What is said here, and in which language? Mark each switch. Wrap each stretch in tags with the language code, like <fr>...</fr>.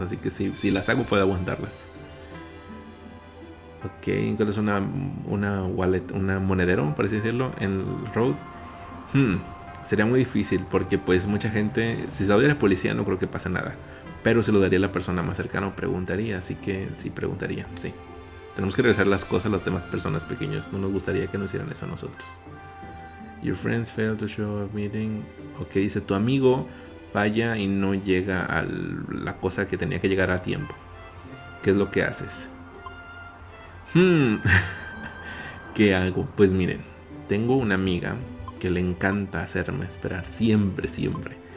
<es>Así que si las hago, puedo aguantarlas. Ok, encuentras una wallet, una monedero, por así decirlo, en el road. Sería muy difícil porque pues mucha gente... Si se lo diera a la policía, no creo que pase nada. Pero se lo daría a la persona más cercana o preguntaría, así que sí, preguntaría, sí. Tenemos que regresar las cosas a las demás personas pequeños. No nos gustaría que nos hicieran eso a nosotros.</es> <en>Your friends fail to show a meeting.</en> <es>Ok, dice, tu amigo falla y no llega a la cosa que tenía que llegar a tiempo. ¿Qué es lo que haces? ¿Qué hago? Pues miren, tengo una amiga que le encanta hacerme esperar siempre, siempre.</es>